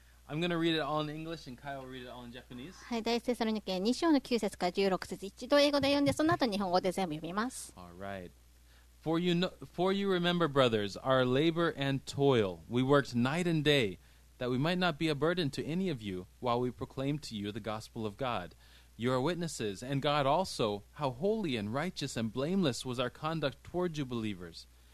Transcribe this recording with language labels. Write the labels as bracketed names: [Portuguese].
[English] I'm going to read it all in English and Kyle will read it all in Japanese. [Japanese] はい、第一テサロニケ2章の9節から16節、一度英語で読んで、その後日本語で全部読みます。 [English] All right. For you remember, brothers, our labor and toil. We worked night and day, that we might not be a burden to any of you while we proclaimed to you the gospel of God. You are witnesses, and God also, how holy and righteous and blameless was our conduct toward you believers.